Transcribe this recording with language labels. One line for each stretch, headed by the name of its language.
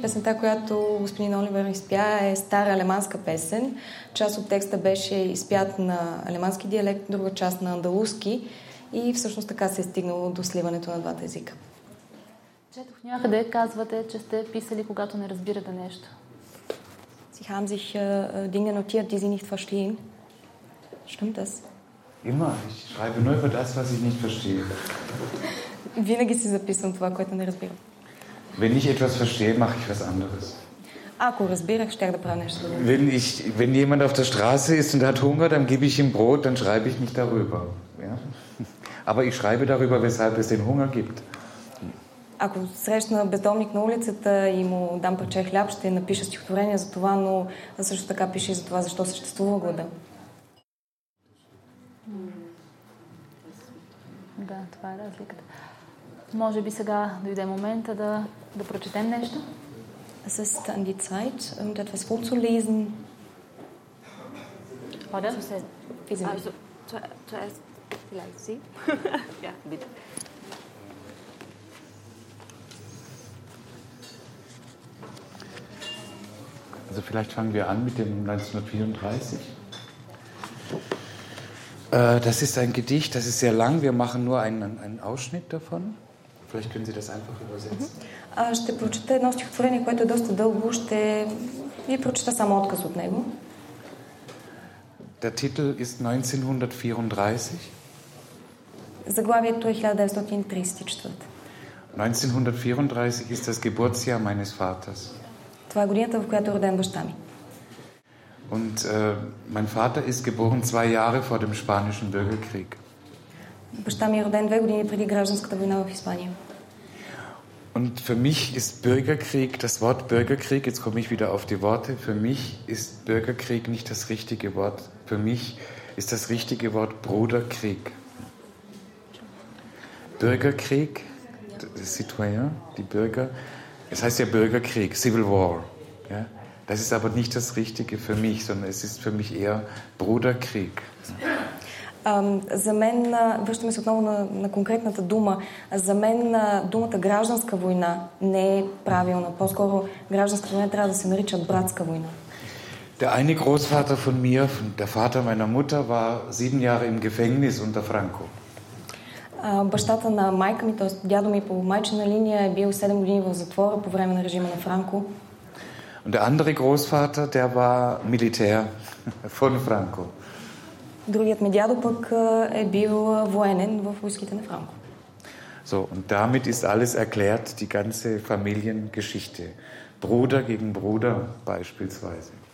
Bulgarian: Песента, която господин Оливер изпя, е стара алеманска песен. Част от текста беше изпят на алемански диалект, друга част на андалузки. И всъщност така се е стигнало до сливането на двата езика. Четох някъде, казвате, че сте писали, когато не разбирате нещо.
German: Sie haben sich Dinge notiert, die Sie nicht verstehen. Stimmt das? Immer. Ich schreibe nur über das, was ich nicht verstehe.
Bulgarian: Винаги си записвам това, което не разбирам.
German: Wenn ich etwas verstehe, mache ich was anderes.
Bulgarian: Ако разбирах, ще я да правя нещо.
German: Wenn jemand auf der Straße ist und hat Hunger, dann gebe ich ihm Brot, dann schreibe ich nicht darüber. Ja? Aber ich schreibe darüber, weshalb es den Hunger gibt.
Bulgarian: ако срещна бездомник на улицата и му дам парче хляб, ще напиша стихотворение за това, но също така пише и за това, защо съществува глада. Да, това е разликата. Може би сега дойде момента да прочетем нещо.
German: Es ist an die Zeit, etwas vorzulesen. Oder? Also, zuerst vielleicht Sie. Ja, bitte. Also vielleicht fangen wir an mit dem 1934. Das ist ein Gedicht, das ist sehr lang. Wir machen nur einen Ausschnitt davon. Vielleicht können Sie das einfach übersetzen.
Bulgarian: Ще прочета едно стихотворение, което е доста дълго. Ще ви прочета само отказ от него.
German: Der Titel ist 1934.
Bulgarian: Заглавието е 1934.
German: 1934 ist das Geburtsjahr meines Vaters.
Bulgarian: Това е годината, в която е роден баща ми.
German: Und mein Vater ist geboren 2 Jahre vor dem spanischen Bürgerkrieg.
Bulgarian: Баща ми е роден 2 години преди гражданската война в Испания.
German: Und für mich ist Bürgerkrieg, das Wort Bürgerkrieg, jetzt komme ich wieder auf die Worte, für mich ist Bürgerkrieg nicht das richtige Wort. Für mich ist das richtige Wort Bruderkrieg. Bürgerkrieg, die Citoyen, die Bürger, es heißt ja Bürgerkrieg, Civil War. Ja? Das ist aber nicht das Richtige für mich, sondern es ist für mich eher Bruderkrieg.
Bulgarian: За мен, връщаме се отново на конкретната дума, за мен думата гражданска война не е правилна. По-скоро гражданска война трябва да се нарича братска война.
German: Der eine Großvater von mir, der Vater meiner Mutter, war 7 Jahre im Gefängnis unter Franco.
Bulgarian: Бащата на майка ми, т.е. дядо ми по майчина линия, е бил 7 години в затвора по време на режима на Франко.
German: Und der andere Großvater, der war Militär von Franco.
Bulgarian: Другият ми дядо пък е бил военен в войските на Франко.
German: So, und damit ist alles erklärt, die ganze Familiengeschichte. Bruder gegen Bruder beispielsweise.